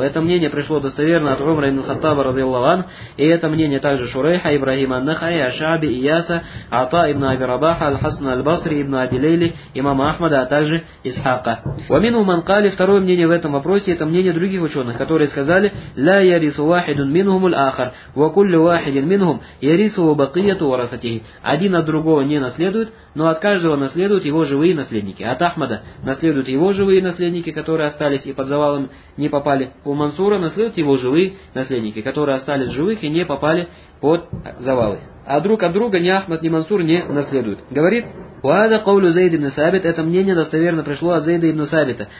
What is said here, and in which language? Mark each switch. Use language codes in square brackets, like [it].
[ru] Это мнение пришло достоверно от Умара ибн Хаттаба радиаллаху анху. И это мнение также Шурейха, Ибрагима ан-Нахаи, Аш-Шааби, Ияса, Ата ибн Аби Рабаха, Аль-Хасана аль-Басри, ибн Аби Лейли, имама Ахмада, а также Исхака. Ва минху ман кали, второе мнение в этом вопросе, это мнение других ученых, которые сказали, [ar] لا يرث واحد منهم الآخر وكل واحد منهم يرثه بقية ورثته. [ru] Один от другого не наследует, но от каждого наследуют его живые наследники. От Ахмада наследуют его живые наследники, которые остались и под завалом не попали. У Мансура наследуют его живые наследники, которые остались живых и не попали под завалы. А друг от друга ни Ахмад, ни Мансур не наследуют. Говорит, «Уада [ar] قَوْلُ زَيْدِ [ru] ибн Сабит» – это мнение достоверно пришло от Зейда ибн Сабита.